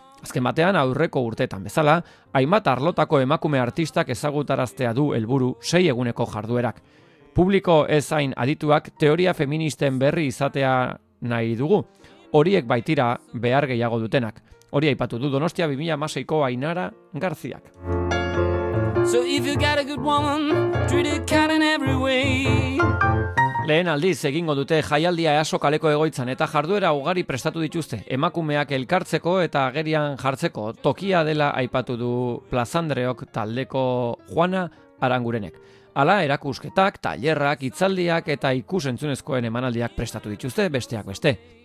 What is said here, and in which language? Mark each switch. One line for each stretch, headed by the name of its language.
Basque: Azken batean aurreko urteetan bezala, hainbat arlotako emakume artistak ezagutaraztea du helburu 6 eguneko jarduerak. Publiko ezain adituak teoria feministen berri izatea nahi dugu. Horiek baitira behar gehiago dutenak. Hori aipatu du Donostia 2016ko Ainara Garziak.
English: So if you got a good woman, treat it kind in every way.
Basque: Lehen aldiz egingo dute jaialdia Easo kaleko egoitzan eta jarduera ugari prestatu dituzte. Emakumeak elkartzeko eta agerian jartzeko tokia dela aipatu du Plazandreok taldeko Juana Arangurenek. Hala, erakusketak, tailerrak, hitzaldiak eta ikusentzunezkoen emanaldiak prestatu dituzte besteak beste.